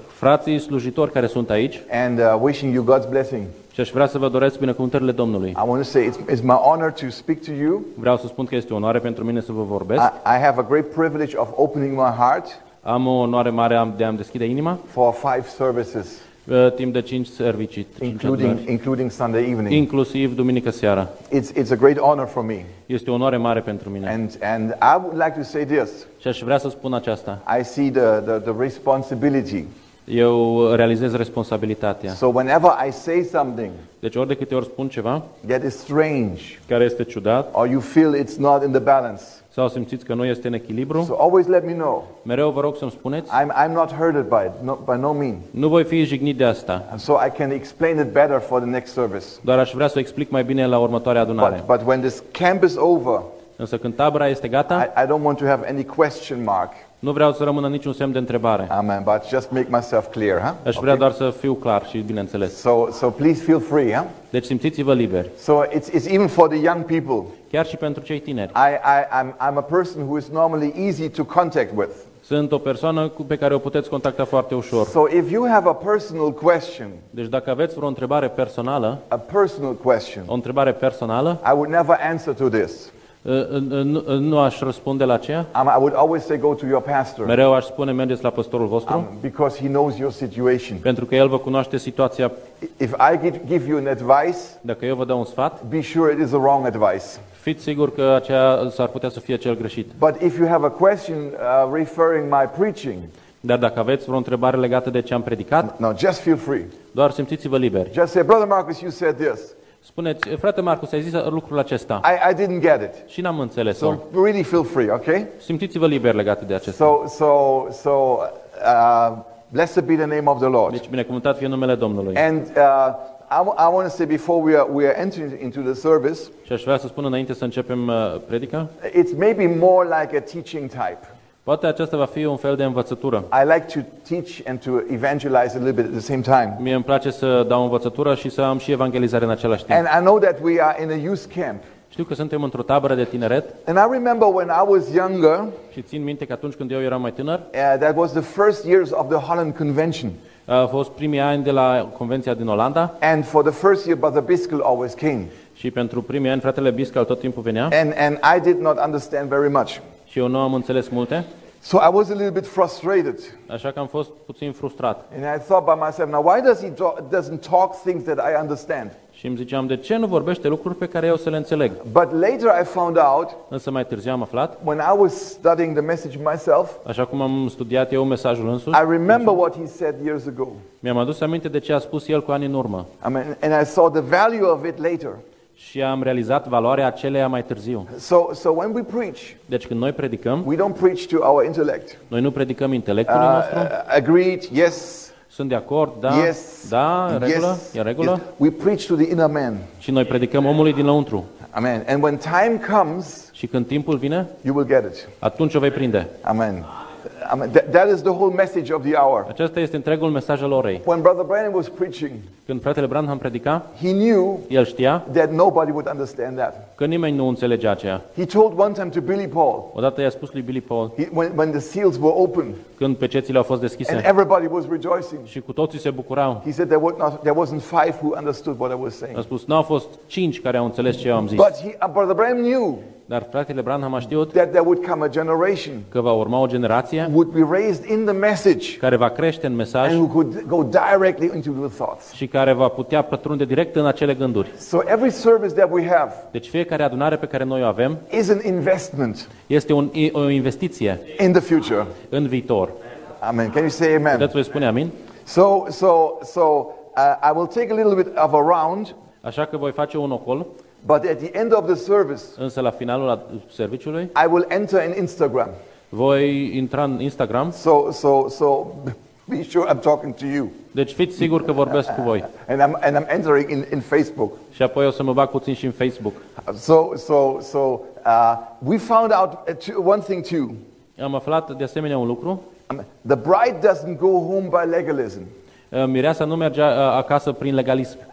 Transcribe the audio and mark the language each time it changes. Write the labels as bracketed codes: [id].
[ro] Frații slujitori care sunt aici. [en] And wishing you God's blessing. [ro] Și aș vrea să vă doresc binecuvântările Domnului. [en] I want to say it's my honor to speak to you. [ro] Vreau să spun că este o onoare pentru mine să vă vorbesc. [en] I have a great privilege of opening my heart. [ro] Am o onoare mare de a-mi deschide inima. [en] For 5 services. [ro] Timp de 5 servicii. [en] Including Sunday evening. [ro] Inclusiv duminică seara. [en] It's a great honor for me. [ro] Este o onoare mare pentru mine. [en] And I would like to say this. [ro] Și aș vrea să spun aceasta. [en] I see the responsibility. [ro] Eu realizez responsabilitatea. [en] So whenever I say something, [ro] deci ori de câte ori spun ceva, [en] that is strange, [ro] care este ciudat, [en] or you feel it's not in the balance, [ro] sau simțiți că nu este în echilibru, [en] so always let me know. [ro] Mereu vă rog să-mi spuneți. [en] I'm not hurted by it, not, by no means. [ro] Nu voi fi jignit de asta. [en] So I can explain it better for the next service. [ro] Doar aș vrea să o explic mai bine la următoarea adunare. [en] But when this camp is over, [ro] însă când tabăra este gata, [en] I don't want to have any question mark. [ro] Nu vreau să rămână niciun semn de întrebare. Amen. [en] But just make myself clear, huh? [ro] Aș vrea doar să fiu clar și bineînțeles. [en] So please feel free, huh? [ro] Deci simțiți-vă liberi. [en] So it's even for the young people. [ro] Chiar și pentru cei tineri. [en] I'm a person who is normally easy to contact with. [ro] Sunt o persoană pe care o puteți contacta foarte ușor. [en] So if you have a personal question. [ro] Deci dacă aveți vreo întrebare personală. [en] A personal question. [ro] O întrebare personală. [en] I would never answer to this. [ro] Nu aș răspunde la aceea. [en] I would always say go to your pastor. [ro] Mereu aș spune mergeți la pastorul vostru. [en] Because he knows your situation. [ro] Pentru că el vă cunoaște situația. [en] If I give you an advice, [ro] dacă eu vă dau un sfat, [en] be sure it is a wrong advice. [ro] Fiți sigur că aceea s-ar putea să fie cel greșit. [en] But if you have a question referring my preaching, [ro] dar dacă aveți vreo întrebare legată de ce am predicat, [en] no, just feel free. [ro] Doar simțiți-vă liberi. [en] Just say, brother Marcus, you said this. [ro] Spuneți, frate Marcus, ai zis lucrul acesta. [en] I didn't get it. [ro] Și n-am înțeles-o. [en] So really feel free, okay? [ro] Simțiți-vă liber legat de acesta. [en] So blessed be the name of the Lord. [ro] Deci binecuvântat fie numele Domnului. [en] And I want to say before we are entering into the service. [ro] Și aș vrea să spun înainte să începem predica. [en] It's maybe more like a teaching type. [ro] Poate aceasta va fi un fel de învățătură. [en] I like to teach and to evangelize a little bit at the same time. [ro] Mie îmi place să dau învățătură și să am și evangelizare în același timp. [en] And I know that we are in a youth camp. [ro] Știu că suntem într-o tabără de tineret. [en] And I remember when I was younger. [ro] Și țin minte că atunci când eu eram mai tânăr. [en] That was the first years of the Holland Convention. [ro] A fost primii ani de la convenția din Olanda. [en] And for the first year, Brother Biscoll always came. [ro] Și pentru primii ani fratele Biscoll tot timpul venea. [en] And I did not understand very much. [ro] Și eu nu am înțeles multe. [en] So I was a little bit frustrated. [ro] Așa că am fost puțin frustrat. [en] And I thought by myself, now why does he doesn't talk things that I understand? [ro] Și îmi ziceam, de ce nu vorbește lucruri pe care eu să le înțeleg? [en] But later I found out. [ro] Însă mai târziu am aflat. [en] When I was studying the message myself. [ro] Așa cum am studiat eu mesajul însuși. [en] I remember what he said years ago. [ro] Mi-am adus aminte de ce a spus el cu ani în urmă. [en] I mean, and I saw the value of it later. [ro] Și am realizat valoarea aceleia mai târziu. [en] So when we preach, [ro] deci când noi predicăm, [en] we don't preach to our intellect. [ro] Noi nu predicăm intelectul nostru. [en] Agreed, yes. [ro] Sunt de acord, da. [en] Yes, [ro] da, regulă, yes, e regulă. [en] Yes. We preach to the inner man. [ro] Și noi predicăm omului dinăuntru. [en] Amen. And when time comes, [ro] și când timpul vine, [en] you will get it. [ro] Atunci o vei prinde. Amen. [en] that is the whole message of the hour. [ro] Acesta este întregul mesaj al orei. [en] When Brother Branham was preaching, [ro] când fratele Branham predica, [en] he knew, [ro] el știa, [en] that nobody would understand that. [ro] Că nimeni nu înțelegea aceea. [en] He told one time to Billy Paul. [ro] Odată i-a spus lui Billy Paul. [en] When the seals were open, [ro] când pecetile au fost deschise, [en] and everybody was rejoicing, [ro] și cu toții se bucurau. [en] He said there wasn't five who understood what I was saying. [ro] A spus n-au fost cinci care au înțeles ce eu am zis. [en] But Brother Branham knew. [ro] Dar fratele Branham a știut [en] that there would come a generation, [ro] că va urma o generație, [en] would be raised in the message, [ro] care va crește în mesaj, [en] and who could go directly into the thoughts, [ro] și care va putea pătrunde direct în acele gânduri. [en] So every service that we have, [ro] deci fiecare adunare pe care noi o avem, [en] is an investment, [ro] este o investiție, [en] in the future, [ro] în viitor. [en] Amen. Can you say amen? [ro] Puteți voi spune amin? [en] So I will take a little bit of a round. [ro] Așa că voi face un ocol. [en] But at the end of the service, [ro] însă la finalul serviciului, [en] I will enter in Instagram. [ro] Voi intra în Instagram. [en] So be sure I'm talking to you. [ro] Deci fiți sigur că vorbesc cu voi. [en] And I'm entering in Facebook. [ro] Și apoi o să mă bag puțin și în Facebook. [en] So we found out one thing too. [ro] Am aflat de asemenea un lucru. [en] The bride doesn't go home by legalism. [ro] Mireasa nu merge acasă prin legalism.